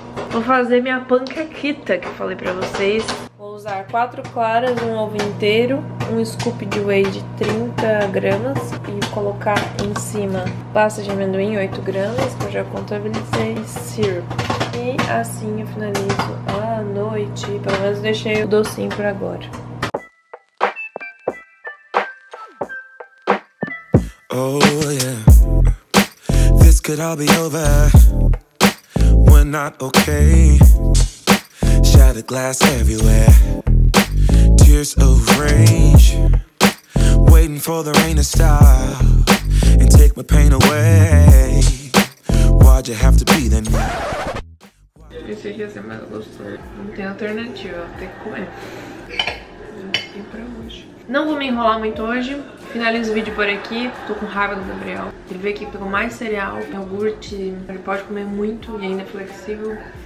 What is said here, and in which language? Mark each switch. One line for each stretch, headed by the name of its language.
Portuguese: Vou fazer minha panquequita que eu falei pra vocês. Vou usar 4 claras, um ovo inteiro, um scoop de whey de 30 gramas e colocar em cima pasta de amendoim, 8 gramas, que eu já contabilizei, e syrup. E assim eu finalizo a noite, pelo menos deixei o docinho por agora.
English: Oh yeah, this could all be over, we're not okay. The glass everywhere, tears of rage, waiting for the rain to stop and take my pain away. Why'd you have to be the night?
Portuguese: Pensei que ia ser mais gostoso. Não tem alternativa, tem que comer. E pra hoje. Não vou me enrolar muito hoje. Finalizo o vídeo por aqui, tô com raiva do Gabriel. Ele veio aqui, pegou mais cereal, iogurte, ele pode comer muito e ainda é flexível.